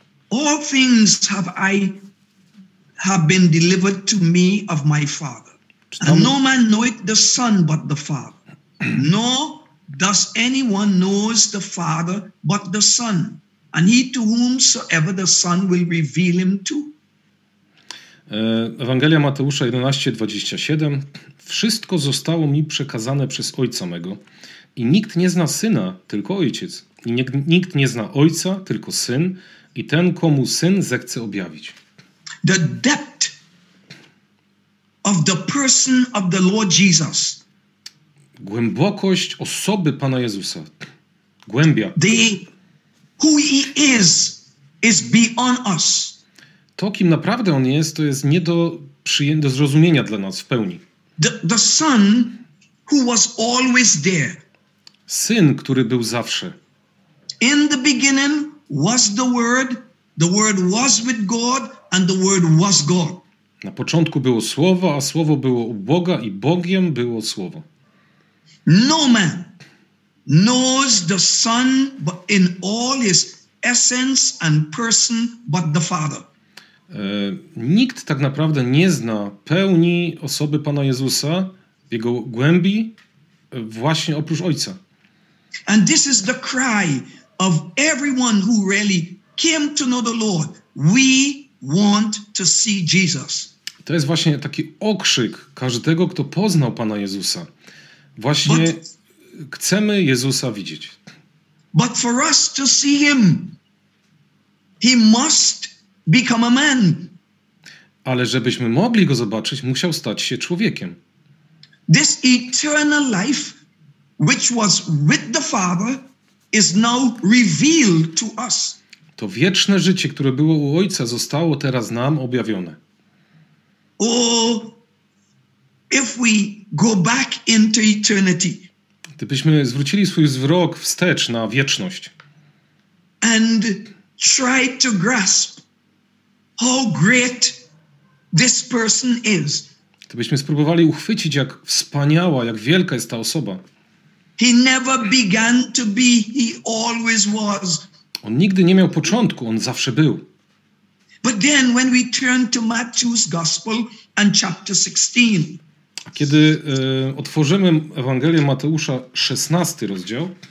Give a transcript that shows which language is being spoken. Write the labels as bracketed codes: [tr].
[en] All things have been delivered to me of my Father. And no man knoweth the Son but the Father. No does anyone knows the Father but the Son. And he to whomsoever the Son will reveal him to. [pl] Ewangelia Mateusza 11:27. Wszystko zostało mi przekazane przez Ojca mego. I nikt nie zna Syna, tylko Ojciec. I nikt nie zna Ojca, tylko Syn. I ten, komu Syn zechce objawić. [en] The depth of the person of the Lord Jesus. [pl] Głębokość osoby Pana Jezusa. Głębia. [en] Who he is beyond us. [pl] To, kim naprawdę On jest, to jest nie do zrozumienia dla nas w pełni. [en] The Son who was always there. [pl] Syn, który był zawsze. [en] In the beginning was the Word was with God, and the Word was God. [pl] Na początku było Słowo, a Słowo było u Boga i Bogiem było Słowo. [en] No man knows the Son in all his essence and person but the Father. [pl] Nikt tak naprawdę nie zna pełni osoby Pana Jezusa w Jego głębi właśnie oprócz Ojca. [en] And this is the cry of everyone who really came to know the Lord. We want to see Jesus. [pl] To jest właśnie taki okrzyk każdego, kto poznał Pana Jezusa. Właśnie chcemy Jezusa widzieć. [en] But for us to see Him, He must become a man. [pl] Ale żebyśmy mogli go zobaczyć, musiał stać się człowiekiem. [en] This eternal life, which was with the Father, is now revealed to us. [pl] To wieczne życie, które było u Ojca, zostało teraz nam objawione. [en] Oh, if we go back into eternity. [pl] Gdybyśmy zwrócili swój wzrok wstecz na wieczność. [en] And try to grasp how great this person is. [pl] Gdybyśmy spróbowali uchwycić, jak wspaniała, jak wielka jest ta osoba. [en] He never began to be, he always was. [pl] On nigdy nie miał początku, on zawsze był. [en] But then when we turn to Matthew's Gospel and chapter 16. [pl] A kiedy otworzymy Ewangelię Mateusza 16 rozdział.